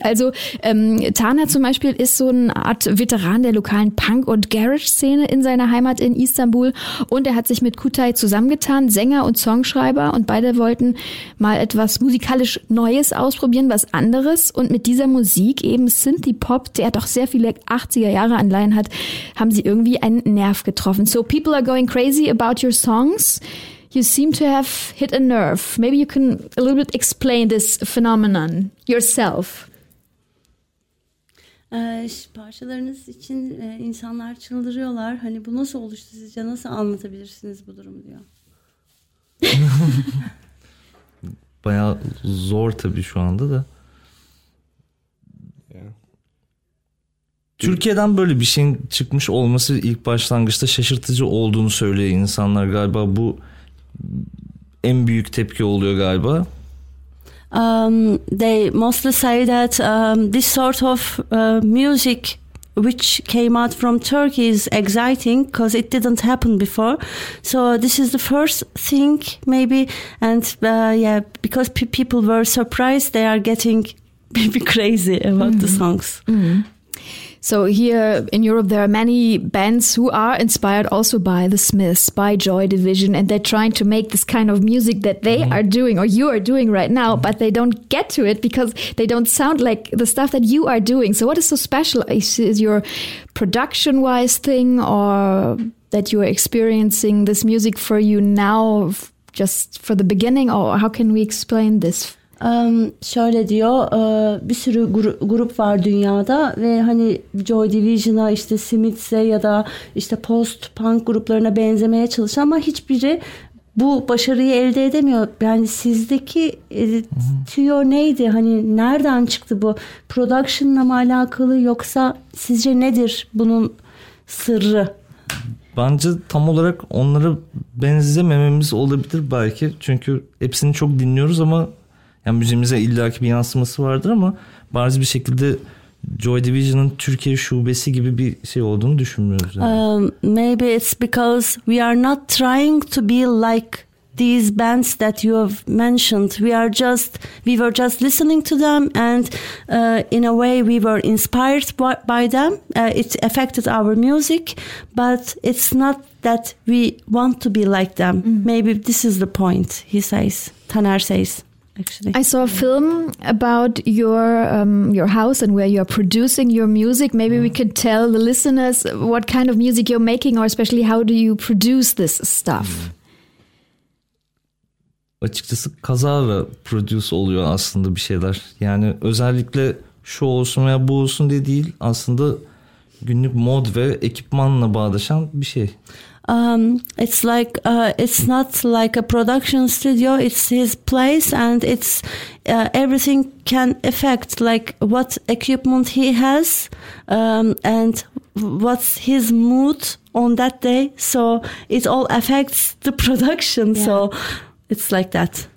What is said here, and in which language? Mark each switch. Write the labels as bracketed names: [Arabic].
[German] Also Tana zum Beispiel ist so eine Art Veteran der lokalen Punk- und Garage-Szene in seiner Heimat in Istanbul und er hat sich mit Kutay zusammengetan, Sänger und Songschreiber und beide wollten mal etwas musikalisch Neues ausprobieren, was anderes und mit dieser Musik, eben Synthie-Pop, der doch sehr viele 80er Jahre Anleihen hat, haben sie irgendwie einen Nerv getroffen. [English] So people are going crazy about your songs. You seem to have hit a nerve. Maybe you can a little bit explain this phenomenon yourself. [Turkish] Parçalarınız için insanlar çıldırıyorlar. Hani bu nasıl oluştu sizce? Nasıl anlatabilirsiniz bu durumu diyor. Bayağı zor tabii şu anda da. Türkiye'den böyle bir şeyin çıkmış olması ilk başlangıçta şaşırtıcı olduğunu söylüyor insanlar galiba bu. En büyük tepki oluyor galiba. [English] They mostly say that this sort of music which came out from Turkey is exciting because it didn't happen before. So this is the first thing maybe and yeah, because people were surprised, they are getting maybe crazy about the songs. So here in Europe, there are many bands who are inspired also by The Smiths, by Joy Division, and they're trying to make this kind of music that they are doing or you are doing right now, but they don't get to it because they don't sound like the stuff that you are doing. So what is so special? Is your production-wise thing or that you are experiencing this music for you now just for the beginning? Or how can we explain this? [Turkish] Şöyle diyor, bir sürü grup var dünyada ve hani Joy Division'a, işte Smiths'e ya da işte post-punk gruplarına benzemeye çalışıyor ama hiçbiri bu başarıyı elde edemiyor. Yani sizdeki tüyo neydi? Hani nereden çıktı bu? Production'la mı alakalı yoksa sizce nedir bunun sırrı? Bence tam olarak onlara benzemememiz olabilir belki. Çünkü hepsini çok dinliyoruz ama yani müziğimize illaki bir yansıması vardır ama bazı bir şekilde Joy Division'ın Türkiye şubesi gibi bir şey olduğunu düşünmüyoruz. Yani. [English] Maybe it's because we are not trying to be like these bands that you have mentioned. We were just listening to them and in a way we were inspired by them. It affected our music, but it's not that we want to be like them. Maybe this is the point, he says, Taner says. Actually, I saw a film about your house and where you are producing your music. Maybe we could tell the listeners what kind of music you're making, or especially how do you produce this stuff? [Turkish] Açıkçası kazara produce oluyor aslında bir şeyler. Yani özellikle şu olsun veya bu olsun diye değil, aslında günlük mod ve ekipmanla bağdaşan bir şey. [English] It's like it's not like a production studio. It's his place, and it's everything can affect like what equipment he has and what's his mood on that day. So it all affects the production. Yeah. So it's like that.